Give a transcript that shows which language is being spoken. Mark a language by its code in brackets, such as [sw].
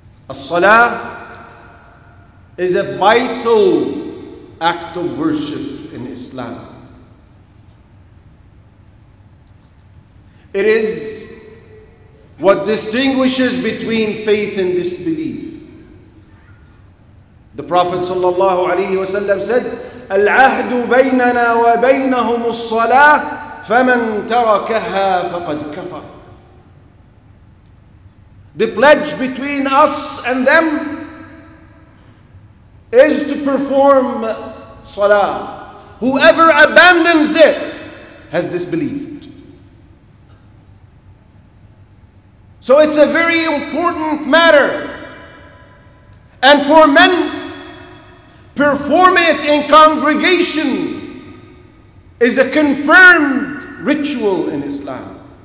[en] As-salah is a vital act of worship in Islam. It is what distinguishes between faith and disbelief. The Prophet sallallahu alaihi wasallam said, [ar] "العهد بيننا وبينهم الصلاة فمن تركها فقد كفر." [en] The pledge between us and them is to perform salah. Whoever abandons it has disbelieved. So it's a very important matter. And for men, performing it in congregation is a confirmed ritual in Islam.